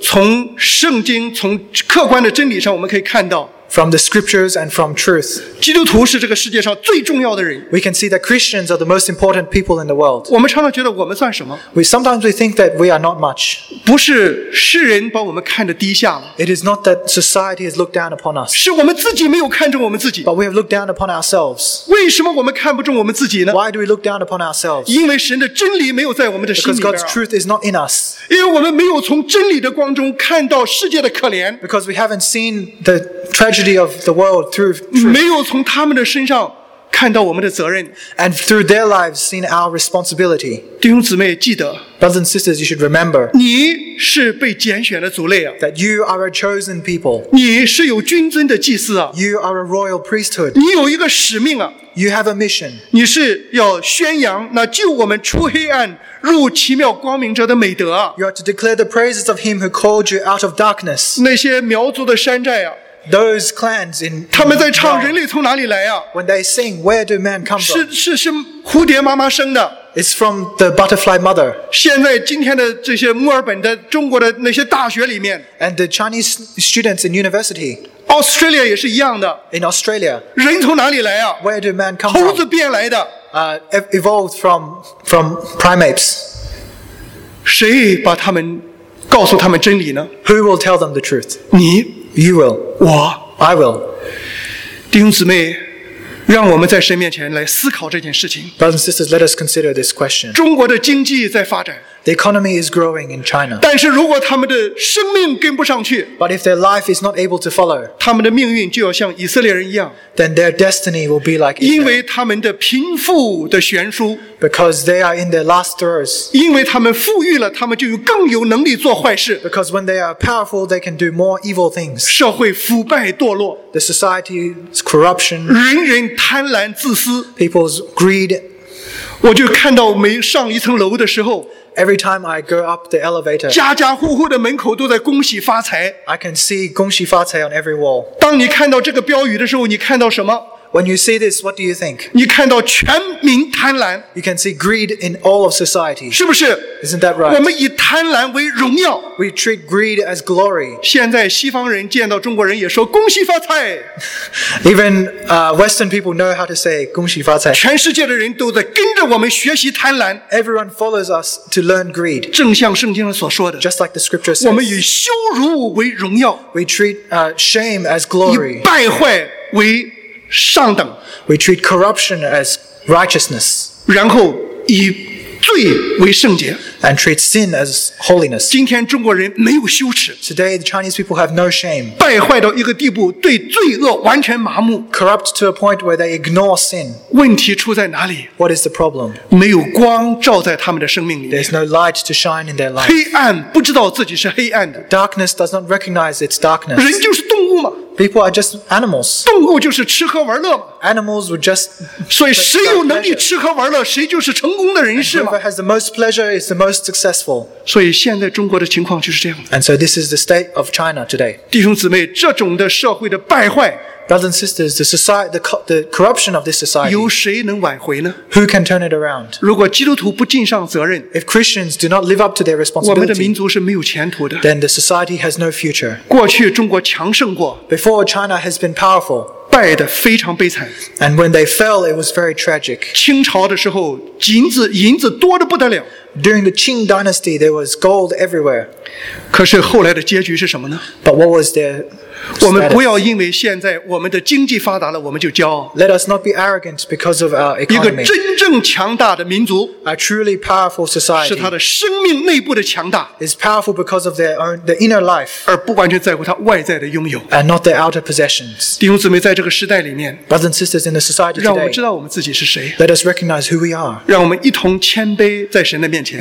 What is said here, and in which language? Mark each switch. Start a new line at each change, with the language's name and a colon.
Chinese: 从圣经，从客观的真理上，我们可以看到。
English: From the scriptures and from truth,
Chinese: 基督徒是这个世界上最重要的人。
English: We can see that Christians are the most important people in the world.
Chinese: 我们常常觉得我们算什么
English: ？We sometimes we think that we are not much.
Chinese: 不是世人把我们看得低下了。
English: It is not that society has looked down upon us.
Chinese: 是我们自己没有看重我们自己。
English: But we have looked down upon ourselves.
Chinese: 为什么我们看不重我们自己呢
English: ？Why do we look down upon ourselves?
Chinese: 因为神的真理没有在我们的心里边。
English: Because God's truth is not in us.
Chinese: 因为我们没有从真理的光中看到世界的可怜。
English: Because we haven't seen the tragedy of the world through truth.
Chinese: 没有从他们的身上看到我们的责任。
English: And through their lives, seen our responsibility.
Chinese: 弟兄姊妹，记得。
English: Brothers and sisters, you should remember.
Chinese: 你是被拣选的族类啊。
English: That you are a chosen people.
Chinese: 你是有君尊的祭司啊。
English: You are a royal priesthood.
Chinese: 你有一个使命啊。
English: You have a mission.
Chinese: 你是要宣扬那救我们出黑暗入奇妙光明者的美德啊。
English: You are to declare the praises of him who called you out of darkness.
Chinese: 那些苗族的山寨啊。
English: Those clans in.
Chinese: 他们在唱人类从哪里来啊？
English: When they sing, where do man come from?
Chinese: 是蝴蝶妈妈生的。
English: It's from the butterfly mother.
Chinese: 现在今天的这些墨尔本的中国的那些大学里面。
English: And the Chinese students in university.
Chinese: Australia 也是一样的。
English: In Australia.
Chinese: 人从哪里来啊？
English: Where do man come from?
Chinese: 猴子变来的。
English: Evolved from primates.
Chinese: 谁把他们告诉他们真理呢？
English: Who will tell them the truth?
Chinese: 你。
English: You will.
Chinese: 我
English: I will.
Chinese: 弟兄姊妹，让我们在神面前来思考这件事情。
English: Brothers and sisters, let us consider this question.
Chinese: 中国的经济在发展。
English: The economy is growing in China.
Chinese: 但是如果他们的生命跟不上去。
English: But if their life is not able to follow.
Chinese: 他们的命运就要像以色列人一样。
English: Then their destiny will be like
Chinese: Israel. 因为他们的贫富的悬殊。
English: Because they are in their last throes.
Chinese: 因为他们富裕了，他们就有更有能力做坏事。
English: Because when they are powerful, they can do more evil things.
Chinese: 社会腐败堕落。
English: The society's corruption.
Chinese: 人人贪婪自私。
English: People's greed.
Chinese: 我就看到每上一层楼的时候。
English: Every time I go up the elevator,
Chinese: 家家户户的门口都在恭喜发财。
English: I can see
Chinese: 恭喜发财
English: on every wall.
Chinese: 当你看到这个标语的时候，你看到什么？
English: When you see this, what do you think?
Chinese: 你看到全民贪婪。
English: You can see greed in all of society.
Chinese: 是不是？
English: Isn't that right?
Chinese: 我们以贪婪为荣耀。
English: We treat greed as glory.
Chinese: 现在西方人见到中国人也说恭喜发财。
English: Even Western people know how to say
Chinese: 恭喜发财。全世界的人都在跟着我们学习贪婪。
English: Everyone follows us to learn greed.
Chinese: 正像圣经所说的。
English: Just like the scripture says.
Chinese: 我们以羞辱为荣耀。
English: We treat shame as glory.
Chinese: 以败坏为上等。
English: We treat corruption as righteousness.
Chinese: 然后以罪为圣洁。
English: And treat sin as holiness.
Chinese: 今天中国人没有羞耻。
English: Today the Chinese people have no shame.
Chinese: 败坏到一个地步，对罪恶完全麻木。
English: Corrupt to a point where they ignore sin.
Chinese: 问题出在哪里？
English: What is the problem?
Chinese: 没有光照在他们的生命里。
English: There's no light to shine in their life.
Chinese: 黑暗不知道自己是黑暗的。
English: Darkness does not recognize its darkness.
Chinese: 人就是动物嘛。
English: People are just animals.
Chinese: 动物就是吃喝玩乐。
English: Animals would just.
Chinese: 所以谁有能力吃喝玩乐，谁就是成功的人士嘛。
English: Whoever has the most pleasure is the most successful.
Chinese: 所以现在中国的情况就是这样。
English: And so this is the state of China today.
Chinese: 弟兄姊妹，这种的社会的败坏。
English: Brothers and sisters, the society, the corruption of this society.
Chinese: 有谁能挽回呢？
English: Who can turn it around?
Chinese: 如果基督徒不尽上责任，
English: if Christians do not live up to their responsibility,
Chinese: 我们的民族是没有前途的。
English: Then the society has no future.
Chinese: 过去中国强盛过，
English: before China has been powerful,
Chinese: 败得非常悲惨。
English: And when they fell, it was very tragic.
Chinese: 清朝的时候，银子多得不得了。
English: During the Qing Dynasty, there was gold everywhere.
Chinese: 可是后来的结局是什么呢？
English: But what was their
Chinese: 我们不要因为现在我们的经济发达了，我们就骄傲。
English: Let us not be arrogant because of our economy.
Chinese: 一个真正强大的民族
English: ，a truly powerful society，
Chinese: 是他的生命内部的强大
English: ，is powerful because of the inner life，
Chinese: 而不完全在乎他外在的拥有
English: ，and not the outer possessions。
Chinese: 弟兄姊妹，在这个时代里面
English: ，brothers and sisters in the society today，
Chinese: 让我们知道我们自己是谁
English: ，let us recognize who we are。
Chinese: 让我们一同谦卑在神的面前